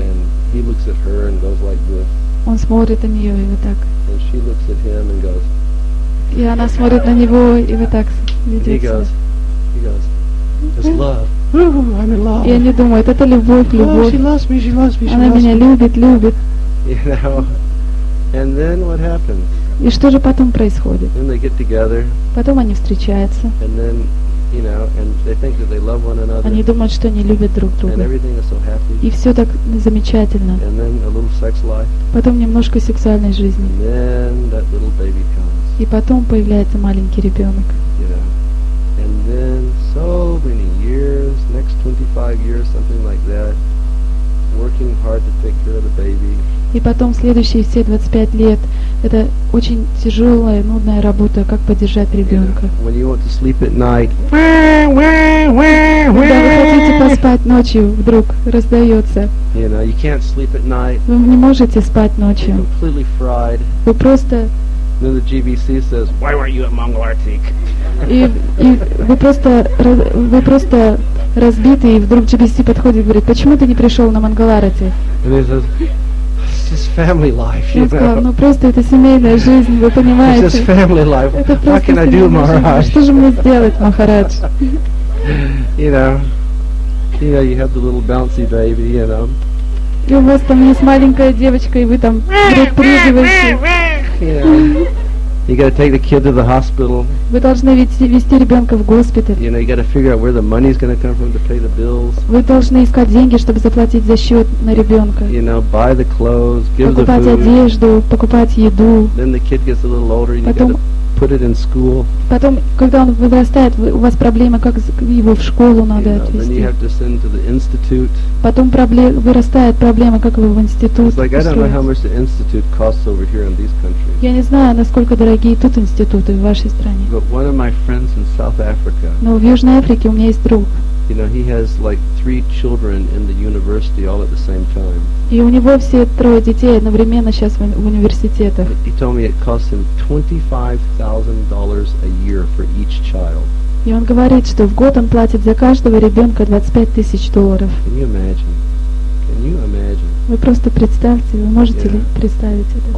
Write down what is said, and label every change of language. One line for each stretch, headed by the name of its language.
English: And he looks at her and goes like this.
Russian: Он смотрит на нее и вот так.
English: And she looks at him and goes.
Russian: И она смотрит на него и вот так ведет себя. И они думают, это любовь.
English: Oh, she loves me, she loves me, she
Russian: меня
English: me.
Russian: любит.
English: You know? And then what happens?
Russian: И что же потом происходит?
English: Then they get together.
Russian: Потом они встречаются.
English: And then, you know, and they think that they love one another.
Russian: Они думают, что они любят друг друга.
English: And everything is so happy.
Russian: И все так замечательно.
English: And then a little sex life.
Russian: Потом немножко сексуальной жизни.
English: And then that little baby comes.
Russian: И потом появляется маленький ребенок.
English: And then so many years, next 25 years, something like that, working hard to take care of the baby.
Russian: И потом следующие все 25 лет, это очень тяжелая, нудная работа, как поддержать ребенка.
English: Yeah. When you want to sleep at night.
Russian: Когда вы хотите поспать ночью, вдруг раздается.
English: You know, you can't sleep at night.
Russian: Вы не можете спать ночью.
English: You're completely fried.
Russian: Вы просто.
English: Then the GBC says, "Why weren't you at Mangalartik?"
Russian: И вы просто разбиты, и вдруг GBC подходит и говорит, почему ты не пришел на Мангаларати?
English: And he says, it's just family life, you know.
Russian: Он сказал, ну просто это семейная жизнь, вы понимаете.
English: It's just family life.
Russian: Это просто
English: what can I do, Maharaj?
Russian: Что же мне сделать, Махарадж?
English: You know, you have the little bouncy baby, you know.
Russian: И у вас там есть маленькая девочка, и вы там вдруг приживаете.
English: You know. You got to take the kid to the hospital.
Russian: Вы должны вести ребенка в госпиталь.
English: You know, you got to figure out where the money's going to come from to pay the bills.
Russian: Вы должны искать деньги, чтобы заплатить за счет на ребенка.
English: You know, buy the clothes, give
Russian: покупать
English: the food.
Russian: Покупать одежду, покупать еду.
English: Then the kid gets a little older, and you got to put it in school.
Russian: Потом, когда он вырастает, у вас проблема, как его в школу надо отвезти.
English: You know, then you have to send to the institute.
Russian: Потом вырастает проблема, как его в институт.
English: It's like, I don't know how much the institute costs over here in these countries.
Russian: Я не знаю, насколько дорогие тут институты в вашей стране.
English: But one of my friends in South Africa.
Russian: Но в Южной Африке у меня есть друг.
English: You know, he has like three children in the university all at the same time.
Russian: И у него все трое детей одновременно сейчас в университетах.
English: He told me it costs him $25,000 a year for each child.
Russian: И он говорит, что в год он платит за каждого ребенка $25,000.
English: Can you imagine? Can you imagine?
Russian: Вы просто представьте, вы можете ли представить это?